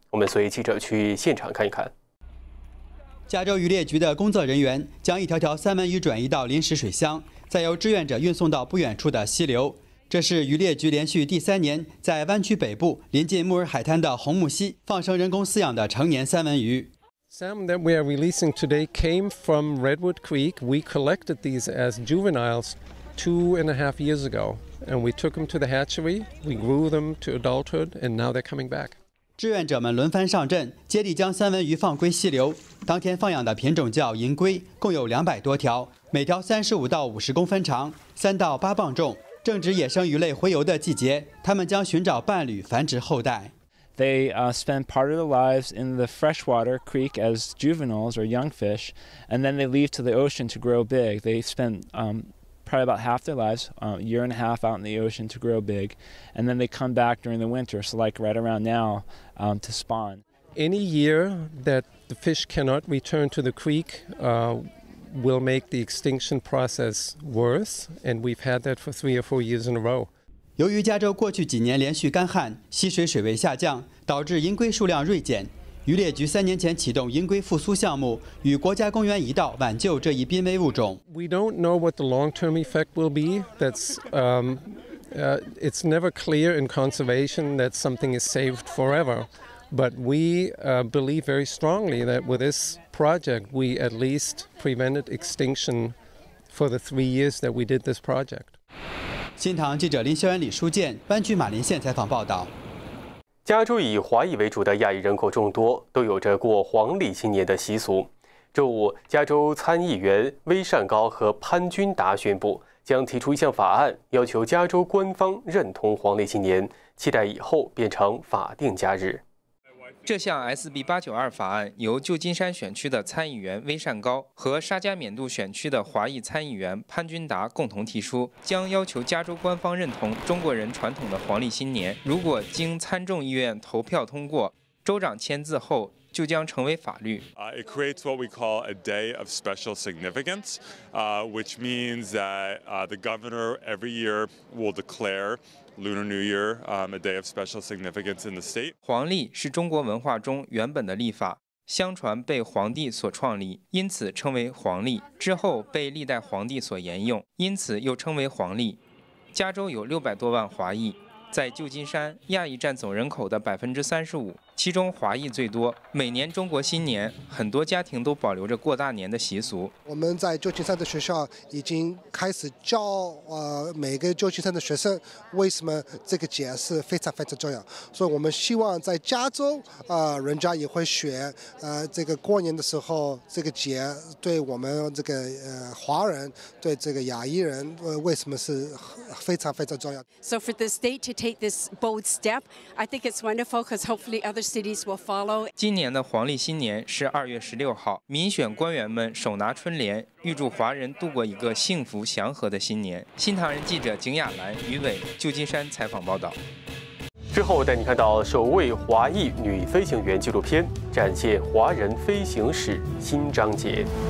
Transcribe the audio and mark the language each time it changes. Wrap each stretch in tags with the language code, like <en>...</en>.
<zh>我们随记者去现场看一看。加州渔猎局的工作人员将一条条三文鱼转移到临时水箱，再由志愿者运送到不远处的溪流。这是渔猎局连续第三年在湾区北部临近穆尔海滩的红木溪放生人工饲养的成年三文鱼。</zh> <en>Salmon that we are releasing today came from Redwood Creek. We collected these as juveniles 2.5 years ago, and we took them to the hatchery. We grew them to adulthood, and now they're coming back.</en> <zh>志愿者们轮番上阵，接力将三文鱼放归溪流。当天放养的品种叫银龟，共有200多条，每条35到50公分长，3到8磅重。正值野生鱼类洄游的季节，他们将寻找伴侣繁殖后代。</zh> <en>They spend part of their lives in the freshwater creek as juveniles or young fish, and then they leave to the ocean to grow big. They spend probably about half their lives, year and a half out in the ocean to grow big, and then they come back during the winter, so like right around now, to spawn. Any year that the fish cannot return to the creek, will make the extinction process worse, and we've had that for 3 or 4 years in a row.</en> <zh>由于加州过去几年连续干旱，溪水水位下降，导致银龟数量锐减。渔猎局三年前启动银龟复苏项目，与国家公园一道挽救这一濒危物种。</zh> <en>We don't know what the long-term effect will be. That's it's never clear in conservation that something is saved forever. But we believe very strongly that with this project, we at least prevented extinction for the 3 years that we did this project.</en> <zh>新唐记者林修安、李书建，湾区马林县采访报道。加州以华裔为主的亚裔人口众多，都有着过黄历新年的习俗。周五，加州参议员威善高和潘君达宣布，将提出一项法案，要求加州官方认同黄历新年，期待以后变成法定假日。这项 SB 892法案由旧金山选区的参议员威善高和沙加缅度选区的华裔参议员潘君达共同提出，将要求加州官方认同中国人传统的黄历新年。如果经参众议院投票通过，州长签字后就将成为法律。</zh> <en>It creates what we call a day of special significance, which means that the governor every year will declare Lunar New Year, a day of special significance in the state.</en> <zh>黄历是中国文化中原本的历法，相传被皇帝所创立，因此称为黄历，之后被历代皇帝所沿用，因此又称为黄历。加州有600多万华裔，在旧金山，亚裔占总人口的35%，其中华裔最多。每年中国新年，很多家庭都保留着过大年的习俗。我们在旧金山的学校已经开始教每个旧金山的学生为什么这个节是非常非常重要。所以我们希望在加州人家也会学这个过年的时候这个节对我们这个华人对这个亚裔人为什么是非常非常重要。</zh> <en>So for the state to take this bold step, I think it's wonderful because hopefully other cities will follow.</en> <zh>今年的黄历新年是2月16号，民选官员们手拿春联，预祝华人度过一个幸福祥和的新年。新唐人记者景亚兰、于伟，旧金山采访报道。之后带你看到首位华裔女飞行员纪录片，展现华人飞行史新章节。</zh>